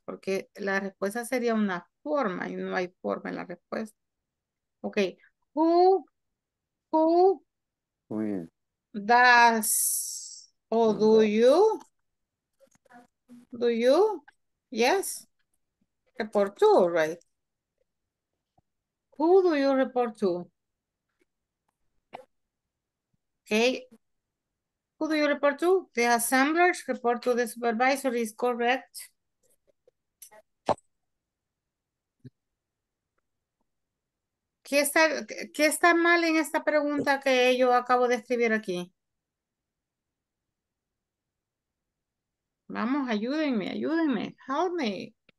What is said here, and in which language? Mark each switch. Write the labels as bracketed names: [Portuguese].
[Spanish] Porque la respuesta sería una forma y no hay forma en la respuesta. [English] Okay, who does o do you, yes, report to, right? Who do you report to? Okay, who do you report to? The assemblers report to the supervisor, is correct. [Spanish] ¿Qué está mal en esta pregunta que yo acabo de escribir aquí? Vamos, ayúdenme, [English] help me.